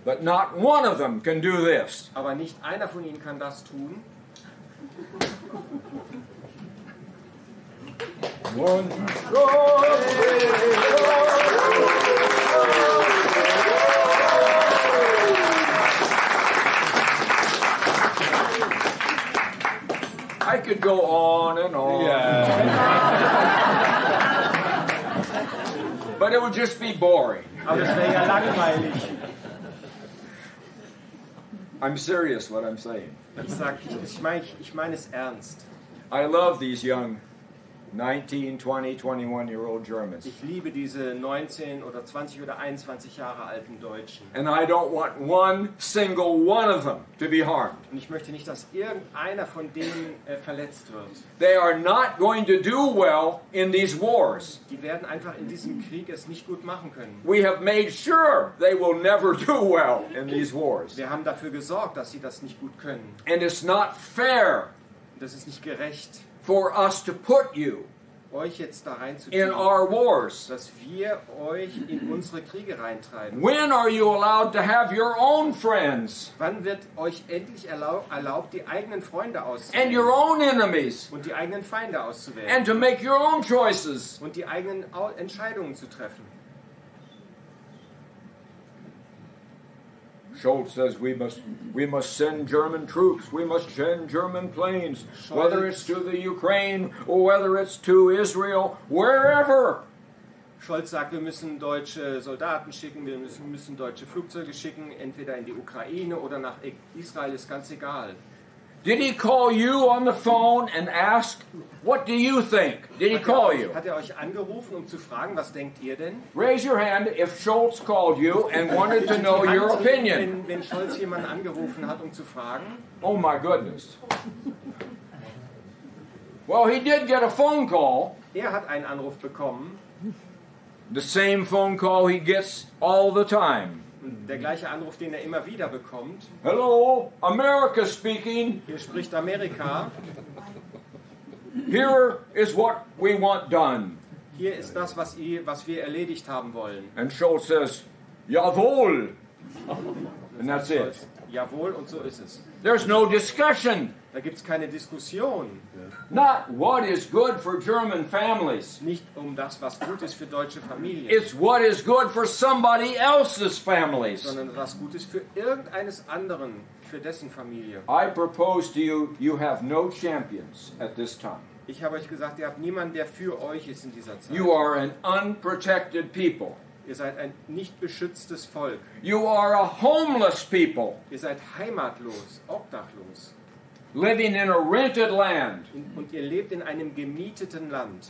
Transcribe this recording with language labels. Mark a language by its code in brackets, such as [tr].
[en] But not one of them can do this. [de] Aber nicht einer von ihnen kann das tun. [en] One strong I could go on and on. Yeah. But it would just be boring. [de] Aber das wäre ja langweilig. [en] I'm serious what I'm saying. [de] Ich meine es ernst. [en] I love these young 19, 20, 21 year old Germans. [de] Ich liebe diese 19 oder 20 oder 21 Jahre alten Deutschen. [en] And I don't want one single one of them to be harmed. [de] Und ich möchte nicht, dass irgendeiner von denen verletzt wird. [en] They are not going to do well in these wars. [de] Die werden einfach in diesem Krieg es nicht gut machen können. [en] We have made sure they will never do well in these wars. [de] Wir haben dafür gesorgt, dass sie das nicht gut können. [en] And it's not fair. [de] Das ist nicht gerecht. [en] For us to put you [de] euch jetzt da rein zu tun, [en] in our wars, [de] dass wir euch in unsere Kriege reintreiben. [en] When are you allowed to have your own friends? [de] Wann wird euch endlich erlaubt, die eigenen Freunde auszuwählen? [en] And your own enemies [de] und die eigenen Feinde auszuwählen. [en] And to make your own choices [de] und die eigenen Entscheidungen zu treffen. [en] Scholz says we must send German troops, we must send German planes, whether it's to the Ukraine or whether it's to Israel, wherever. [de] Scholz sagt, wir müssen deutsche Soldaten schicken, wir müssen deutsche Flugzeuge schicken, entweder in die Ukraine oder nach Israel, ist ganz egal. [en] Did he call you on the phone and ask, what do you think? Did he call you? [de] Hat er euch angerufen, um zu fragen, was denkt ihr denn? [en] Raise your hand if Schultz called you and wanted to know your opinion. [de] Wenn Schultz jemanden angerufen hat, um zu fragen. [en] Oh my goodness. Well, he did get a phone call. [de] Er hat einen Anruf bekommen. [en] The same phone call he gets all the time. [de] Der gleiche Anruf, den er immer wieder bekommt. [en] Hello, America speaking. [de] Hier spricht Amerika. [en] Here is what we want done. [de] Hier ist das, was wir erledigt haben wollen. [en] And Schultz says, jawohl. And that's it. [de] Jawohl, und so ist es. [en] There's no discussion. [de] Da gibt's keine Diskussion. [en] Not what is good for German families. [de] Nicht um das, was gut ist für deutsche Familien. [en] It's what is good for somebody else's families. [de] Sondern was gut ist für irgendeines anderen, für dessen Familie. [en] I propose to you, you have no champions at this time. [de] Ich habe euch gesagt, ihr habt niemanden, der für euch ist in dieser Zeit. [en] You are an unprotected people. [de] Ihr seid ein nicht beschütztes Volk. [en] You are a homeless people. [de] Ihr seid heimatlos, obdachlos. [en] Living in a rented land. [de] Und ihr lebt in einem gemieteten Land.